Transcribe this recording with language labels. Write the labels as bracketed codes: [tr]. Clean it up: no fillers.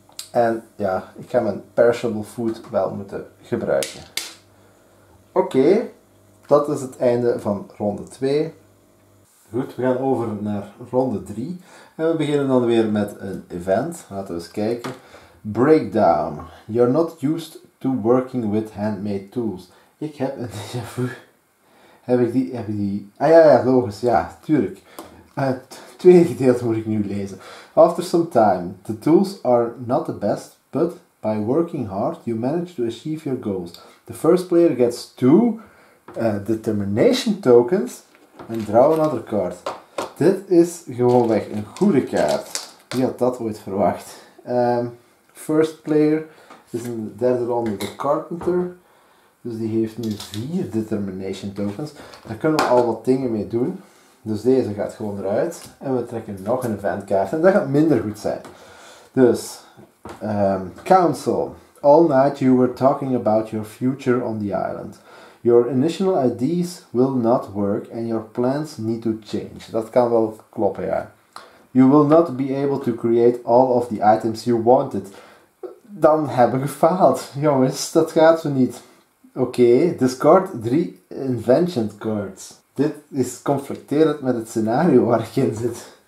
[nl] En ja, ik ga mijn perishable food wel moeten gebruiken. Oké, dat is het einde van ronde 2. Goed, we gaan over naar ronde 3. En we beginnen dan weer met een event. Laten we eens kijken. Breakdown. [en] You're not used to working with handmade tools. [nl] Ik heb een déjà vu. Heb ik die... Ah ja, ja, logisch. Ja, tuurlijk. Tweede gedeelte moet ik nu lezen. [en] After some time, the tools are not the best, but by working hard, you manage to achieve your goals. The first player gets 2 determination tokens and draw another card. [nl] Dit is gewoonweg een goede kaart. Wie had dat ooit verwacht? [en] First player [nl] is in de derde ronde de Carpenter. Dus die heeft nu 4 Determination Tokens. Daar kunnen we al wat dingen mee doen. Dus deze gaat gewoon eruit. En we trekken nog een eventkaart. En dat gaat minder goed zijn. Dus, Council. [en] All night you were talking about your future on the island. Your initial ideas will not work and your plans need to change. [nl] Dat kan wel kloppen, ja. [en] You will not be able to create all of the items you wanted. [nl] Dan hebben we gefaald. Jongens, dat gaat zo niet. Oké, [en] discard 3 invention cards. [nl] Dit is conflicterend met het scenario waar ik in zit.